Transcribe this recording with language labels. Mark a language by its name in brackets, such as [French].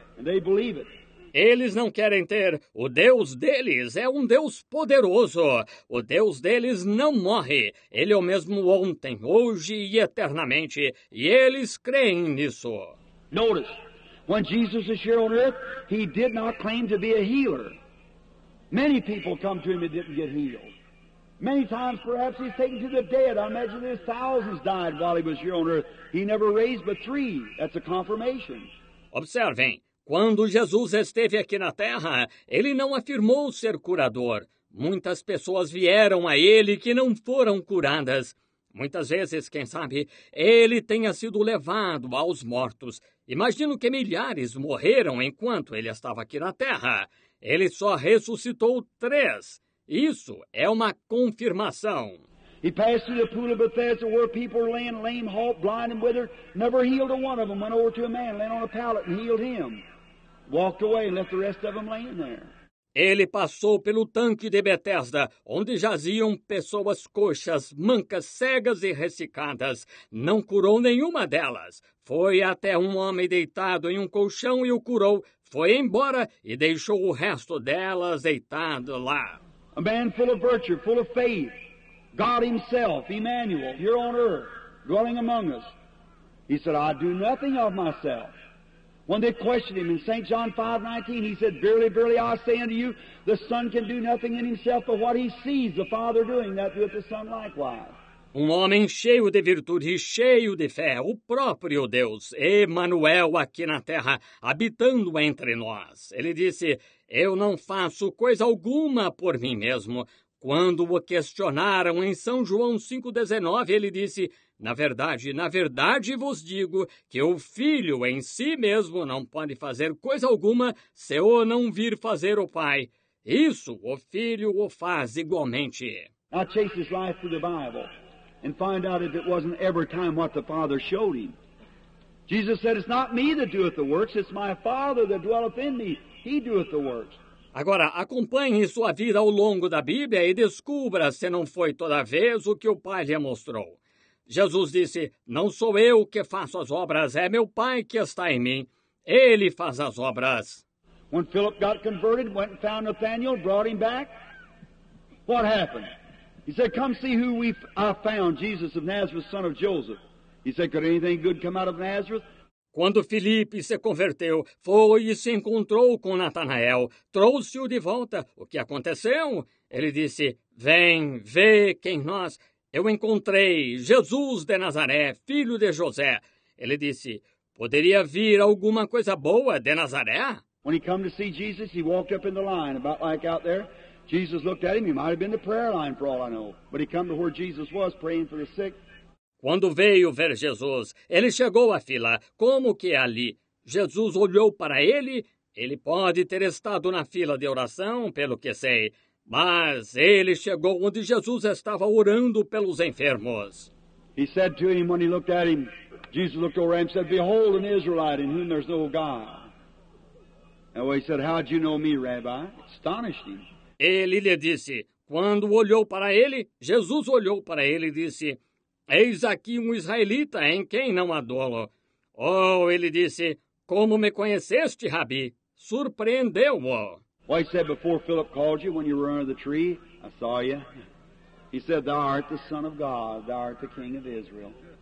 [English] And they believe it. [Portuguese] Eles não querem ter. O Deus deles é um Deus poderoso. O Deus deles não morre. Ele é o mesmo ontem, hoje e eternamente. E eles creem nisso. [English] Notice, when Jesus is here on earth, he did not claim to be a healer. Many people come to him and didn't get healed. Many times, perhaps, he's taken to the dead. I imagine there's thousands died while he was here on earth. He never raised but three. That's a confirmation. [Portuguese] Observem, quando Jesus esteve aqui na terra, ele não afirmou ser curador. Muitas pessoas vieram a ele que não foram curadas. Muitas vezes, quem sabe, ele tenha sido levado aos mortos. Imagino que milhares morreram enquanto ele estava aqui na terra. Ele só ressuscitou três. Isso é uma confirmação. [English] He passed through the pool of Bethesda where people were laying lame, halt, blind, and withered. Never healed a one of them. Went over to a man, laying on a pallet, and healed him. Walked away and left the rest of them laying there. [Portuguese] Ele passou pelo tanque de Bethesda, onde jaziam pessoas coxas, mancas, cegas e ressecadas. Não curou nenhuma delas. Foi até um homem deitado em um colchão e o curou. Foi embora e deixou o resto delas deitado lá. [English] A man full of virtue, full of faith, God himself, Emmanuel, here on earth, dwelling among us. He said, I do nothing of myself. When they questioned him in St. John 5:19, he said, verily, verily, I say unto you, the Son can do nothing in himself, but what he sees the Father doing, that doeth the Son likewise. [Portuguese] Um homem cheio de virtude, cheio de fé, o próprio Deus, Emmanuel, aqui na terra, habitando entre nós. Ele disse, eu não faço coisa alguma por mim mesmo. Quando o questionaram em São João 5:19, ele disse, na verdade vos digo que o Filho em si mesmo não pode fazer coisa alguma se o não vir fazer o Pai. Isso o Filho o faz igualmente. [English] I chase his life through the Bible and find out if it wasn't every time what the Father showed him. Jesus said, it's not me that doeth the works, it's my Father that dwelleth in me. He doeth the works. [Portuguese] Agora, acompanhe sua vida ao longo da Bíblia e descubra se não foi toda vez o que o Pai lhe mostrou. Jesus disse, não sou eu que faço as obras, é meu Pai que está em mim. Ele faz as obras. [English] When Philip got converted, went and found Nathanael, brought him back. What happened? He said, come see who we found, Jesus of Nazareth, son of Joseph. He said, could anything good come out of Nazareth? [Portuguese] Quando Filipe se converteu, foi e se encontrou com Natanael, trouxe-o de volta. O que aconteceu? Ele disse, vem, vê quem nós. Eu encontrei Jesus de Nazaré, filho de José. Ele disse, poderia vir alguma coisa boa de Nazaré? [English] When he came to see Jesus, he walked up in the line, about like out there. Jesus looked at him, he might have been the prayer line for all I know. But he came to where Jesus was, praying for the sick. [Portuguese] Quando veio ver Jesus, ele chegou à fila, como que ali? Jesus olhou para ele, ele pode ter estado na fila de oração, pelo que sei, mas ele chegou onde Jesus estava orando pelos enfermos. [English] He said to him, when he looked at him, Jesus looked over him and said, behold an Israelite in whom there's no God. And he said, how'd you know me, Rabbi? Astonished him. [Portuguese] Ele lhe disse, quando olhou para ele, Jesus olhou para ele e disse, eis aqui um israelita em quem não há dolo. Oh, ele disse, como me conheceste, Rabi? Surpreendeu-o. [English] Well, he said, before Philip called you, when you were under the tree, I saw you. He said, thou art the son of God, thou art the king of Israel.